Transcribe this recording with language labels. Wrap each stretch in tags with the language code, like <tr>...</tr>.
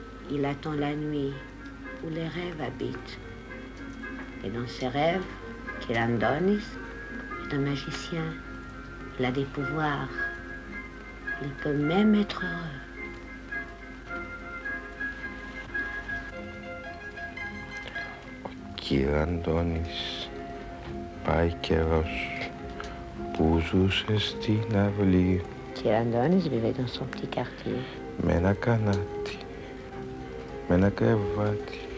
<fr>Il attend la nuit où les rêves habitent. Et dans ses rêves, qu'il Andonis est un magicien. Il a des pouvoirs. Il peut même être heureux.</fr> <el>Κι ο Αντώνης πάει καιρός που ζούσε στην αυλή. Κι ο Αντώνης</el> <fr>vivait dans son petit quartier.</fr> <el>Με ένα κανάτι, με ένα κρεβάτι.</el>